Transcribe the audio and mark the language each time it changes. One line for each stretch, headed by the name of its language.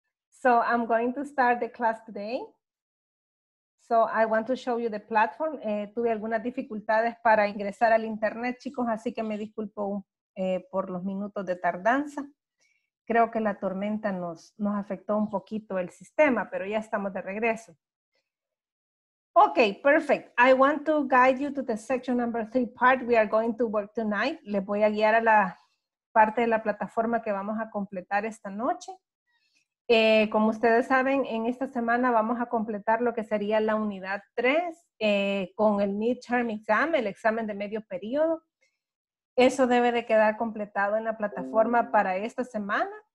English: So I'm going to start the class today. So I want to show you the platform.
Spanish: Tuve algunas dificultades para ingresar al internet, chicos, así que me disculpo por los minutos de tardanza. Creo que la tormenta nos afectó un poquito el sistema, pero ya estamos de regreso.
English: Okay, perfect. I want to guide you to the section number 3 part we are going to work tonight.
Spanish: Les voy a guiar a la parte de la plataforma que vamos a completar esta noche. Como ustedes saben, en esta semana vamos a completar lo que sería la unidad 3 con el midterm exam, el examen de medio periodo. Eso debe de quedar completado en la plataforma para esta semana.